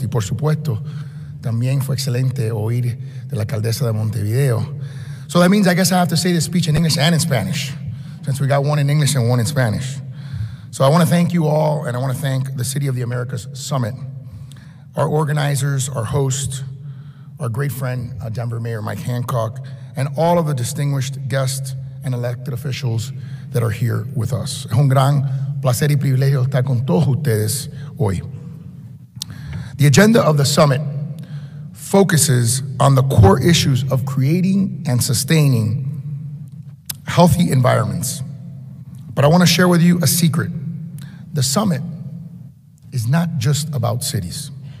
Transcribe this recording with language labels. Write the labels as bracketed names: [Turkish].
[Spanish] Y por supuesto, también fue excelente oír de la alcaldesa de Montevideo. [English] So that means I guess I have to say this speech in English and in Spanish, since we got one in English and one in Spanish. So I want to thank you all, and I want to thank the City of the Americas Summit, our organizers, our host, our great friend, Denver Mayor Mike Hancock, and all of the distinguished guests and elected officials that are here with us. [Spanish] Un gran placer y privilegio estar con todos ustedes hoy. [English] The agenda of the summit focuses on the core issues of creating and sustaining healthy environments But I want to share with you a secret. The summit is not just about cities.